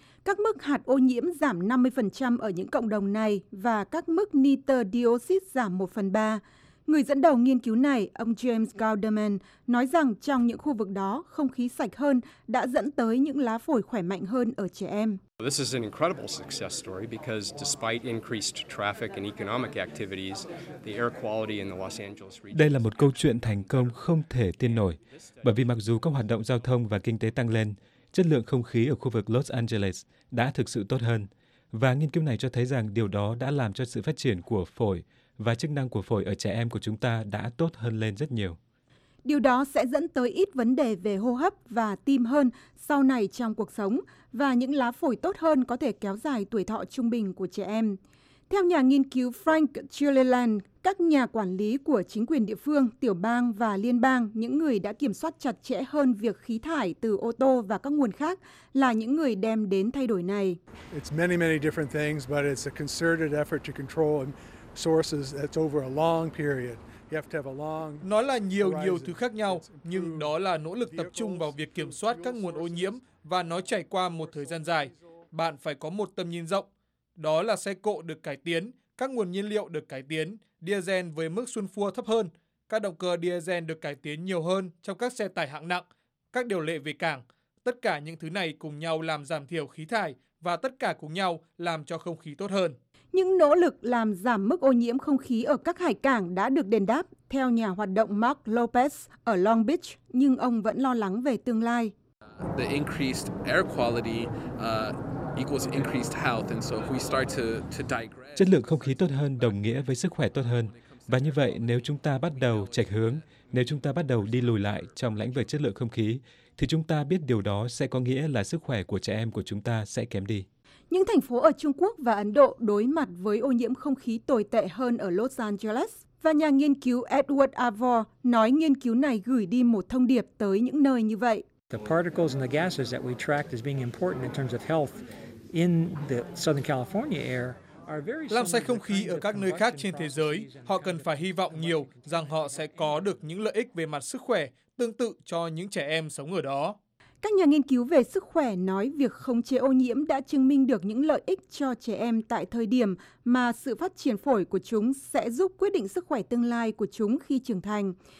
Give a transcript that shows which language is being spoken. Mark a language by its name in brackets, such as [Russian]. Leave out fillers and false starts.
[Vietnamese] Các mức hạt ô nhiễm giảm 50% ở những cộng đồng này và các mức nitơ dioxit giảm 1/3. Người dẫn đầu nghiên cứu này, ông James Galderman, nói rằng trong những khu vực đó, không khí sạch hơn đã dẫn tới những lá phổi khỏe mạnh hơn ở trẻ em. [English] This is an incredible success story because despite increased traffic and economic activities, the air quality in the Los Angeles region. [Vietnamese] Đây là một câu chuyện thành công không thể tin nổi, bởi vì mặc dù các hoạt động giao thông và kinh tế tăng lên, chất lượng không khí ở khu vực Los Angeles đã thực sự tốt hơn. Và nghiên cứu này cho thấy rằng điều đó đã làm cho sự phát triển của phổi và chức năng của phổi ở trẻ em của chúng ta đã tốt hơn lên rất nhiều. Điều đó sẽ dẫn tới ít vấn đề về hô hấp và tim hơn sau này trong cuộc sống, và những lá phổi tốt hơn có thể kéo dài tuổi thọ trung bình của trẻ em. Theo nhà nghiên cứu Frank Gilliland, các nhà quản lý của chính quyền địa phương, tiểu bang và liên bang, những người đã kiểm soát chặt chẽ hơn việc khí thải từ ô tô và các nguồn khác, là những người đem đến thay đổi này. [English] It's many, many different things, but it's a concerted effort to control sources that's over a long period. [Vietnamese] Nó là nhiều thứ khác nhau, nhưng đó là nỗ lực tập trung vào việc kiểm soát các nguồn ô nhiễm, và nó trải qua một thời gian dài. Bạn phải có một tầm nhìn rộng. Đó là xe cộ được cải tiến, các nguồn nhiên liệu được cải tiến, diesel với mức sunfua thấp hơn, các động cơ diesel được cải tiến nhiều hơn trong các xe tải hạng nặng, các điều lệ về cảng. Tất cả những thứ này cùng nhau làm giảm thiểu khí thải, và tất cả cùng nhau làm cho không khí tốt hơn. Những nỗ lực làm giảm mức ô nhiễm không khí ở các hải cảng đã được đền đáp, theo nhà hoạt động Mark Lopez ở Long Beach, nhưng ông vẫn lo lắng về tương lai. [English] The increased air quality equals increased health, and so if we start to digress. [Vietnamese] Chất lượng không khí tốt hơn đồng nghĩa với sức khỏe tốt hơn. Và như vậy, nếu chúng ta bắt đầu chệch hướng, nếu chúng ta bắt đầu đi lùi lại trong lĩnh vực chất lượng không khí, thì chúng ta biết điều đó sẽ có nghĩa là sức khỏe của trẻ em của chúng ta sẽ kém đi. Những thành phố ở Trung Quốc và Ấn Độ đối mặt với ô nhiễm không khí tồi tệ hơn ở Los Angeles. Và nhà nghiên cứu Edward Avor nói nghiên cứu này gửi đi một thông điệp tới những nơi như vậy. [English] The particles and the gases that we tracked as being important in terms of health in the Southern California air are very. [Vietnamese] Làm sạch không khí ở các nơi khác trên thế giới, họ cần phải hy vọng nhiều rằng họ sẽ có được những lợi ích về mặt sức khỏe tương tự cho những trẻ em sống ở đó. Các nhà nghiên cứu về sức khỏe nói việc khống chế ô nhiễm đã chứng minh được những lợi ích cho trẻ em tại thời điểm mà sự phát triển phổi của chúng sẽ giúp quyết định sức khỏe tương lai của chúng khi trưởng thành.